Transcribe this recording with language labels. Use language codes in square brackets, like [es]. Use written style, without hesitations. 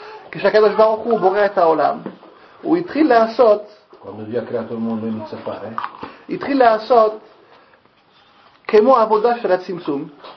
[he] כשהקדוש ברוך הוא בורא את העולם, הוא התחיל לעשות, [it] quando Dio ha creato il mondo inizia a fare, [he] התחיל לעשות כמו עבודה של הצמצום,